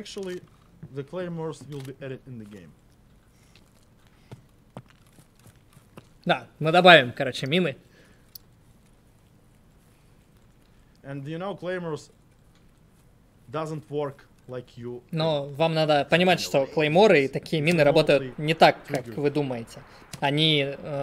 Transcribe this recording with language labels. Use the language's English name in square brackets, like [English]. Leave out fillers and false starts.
[English] Actually, the claymores will be added in the game. [Russian] Да, мы добавим, короче, мины. [English] And you know, claymores doesn't work like you. [Russian] Но вам надо понимать, что клейморы и такие мины работают не так, как вы думаете. Они...